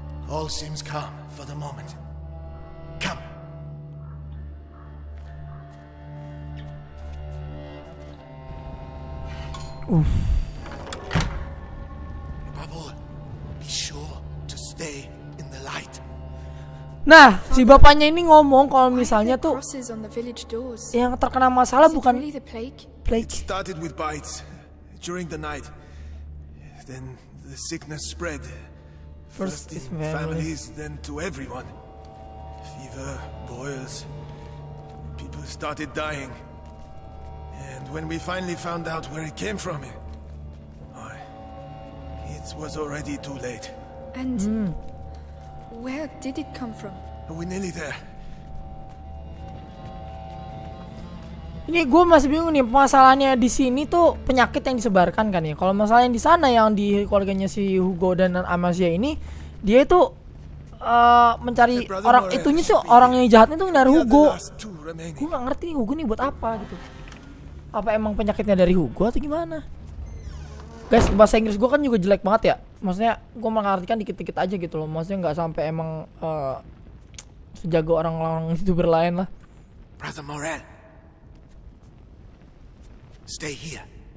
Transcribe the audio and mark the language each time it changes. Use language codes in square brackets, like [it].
[en] All seems calm for the moment. Come. Above all, be sure to stay. [id] Nah, si bapaknya ini ngomong kalau misalnya tuh yang terkena masalah bukan [en] plague. It started with bites during the night. Then the sickness spread. First in families, then to everyone. Fever, boils. People started dying. And when we finally found out where it came from, it was already too late. And where did it come from? Are we nearly there? [id] Ini gue masih bingung nih masalahnya di sini tuh penyakit yang disebarkan kan ya. Kalau masalah yang di sana yang di keluarganya si Hugo dan Amasia ini, dia itu mencari orang itunya tuh orang yang jahatnya tuh dari Hugo. Gue nggak ngerti nih Hugo nih buat apa gitu. Apa emang penyakitnya dari Hugo atau gimana? Guys, bahasa Inggris gue kan juga jelek banget ya. Maksudnya gue mengartikan dikit-dikit aja gitu loh. Maksudnya nggak sampai emang sejago orang-orang itu berlain lah. [en] Brother Morel, stay here.